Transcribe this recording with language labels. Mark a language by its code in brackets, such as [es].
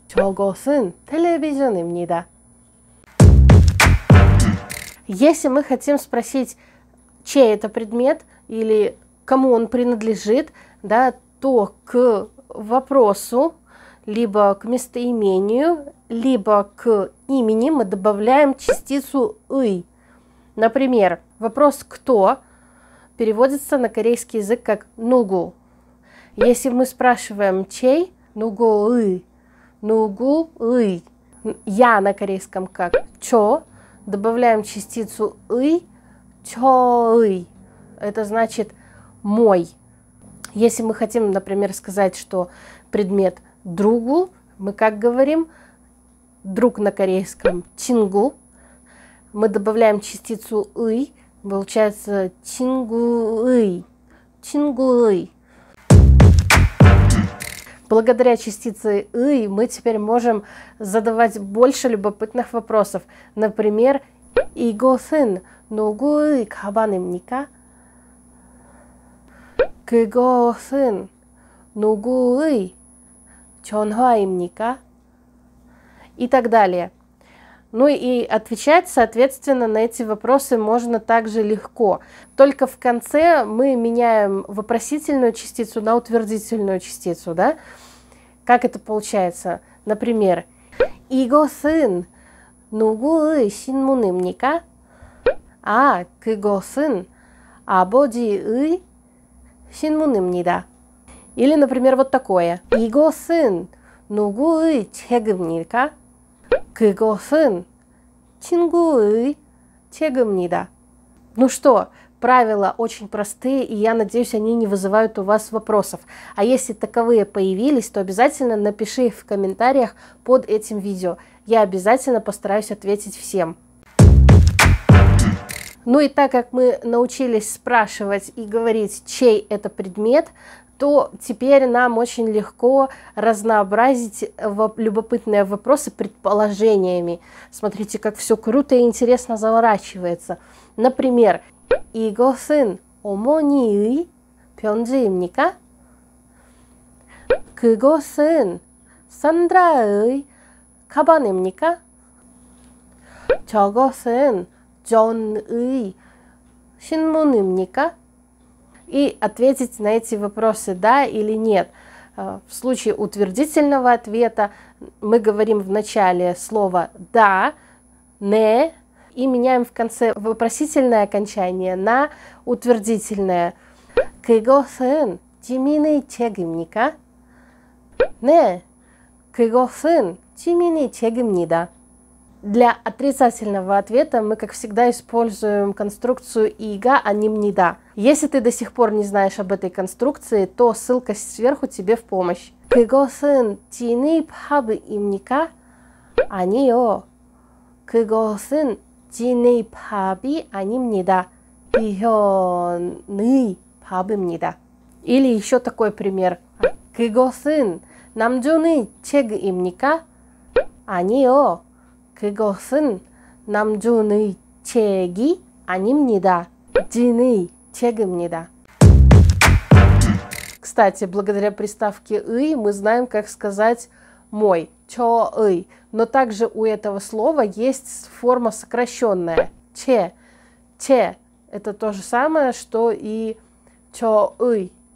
[ko] 저것은 텔레비전입니다. [ru] Если мы хотим спросить, чей это предмет или кому он принадлежит, да, то к вопросу, либо к местоимению, либо к имени мы добавляем частицу «ый». Например, вопрос «кто» переводится на корейский язык как «нугу». Если мы спрашиваем «чей», «нугу-ы», «нугу-ы», «я» на корейском как «чо», добавляем частицу «ы», «чо-ы», это значит «мой». Если мы хотим, например, сказать, что предмет «другу», мы как говорим «друг» на корейском «чингу», мы добавляем частицу «ы», получается «чингу-ы», «чингу-ы». Благодаря частице «ы» мы теперь можем задавать больше любопытных вопросов. Например, [ko] 이것은 누구의 가방입니까? 그것은 누구의 전화입니까? [ru] И так далее. Ну и отвечать, соответственно, на эти вопросы можно также легко. Только в конце мы меняем вопросительную частицу на утвердительную частицу, да? Как это получается? Например, [ko] 이것은 누구의 신문입니까? 아, 그것은 아버지의 신문입니다. [ru] Или, например, вот такое. [ko] 이것은 누구의 책입니까? 그것은 친구의 책입니다. [ru] Ну что, правила очень простые, и я надеюсь, они не вызывают у вас вопросов. А если таковые появились, то обязательно напиши их в комментариях под этим видео. Я обязательно постараюсь ответить всем. Ну и так как мы научились спрашивать и говорить, чей это предмет, то теперь нам очень легко разнообразить любопытные вопросы предположениями. Смотрите, как все круто и интересно заворачивается. Например, [ko] 이것은 어머니의 편지입니까? 그것은 산드라의 가방입니까? 저것은 존의 신문입니까? [ru] И ответить на эти вопросы «да» или «нет». В случае утвердительного ответа мы говорим в начале слово «да», «не» и меняем в конце вопросительное окончание на утвердительное. [ko] 그것은 지민의 책입니까? 네, 그것은 지민의 책입니다. [ru] Для отрицательного ответа мы, как всегда, используем конструкцию «ига», а не «мнида». Если ты до сих пор не знаешь об этой конструкции, то ссылка сверху тебе в помощь. [ko] 그것은 지니 밥입니까? 아니요. 그것은 지니 밥이 아닙니다. 지현의 밥입니다. [ru] Или еще такой пример. [ko] 그것은 남준의 책입니까? 아니요. 그것은 남준의 책이 아닙니다. 지니 책입니다. [ru] Кстати, благодаря приставке «ы» мы знаем, как сказать мой, чо-ый. Но также у этого слова есть форма сокращенная, че, че. Это то же самое, что и чо-ый.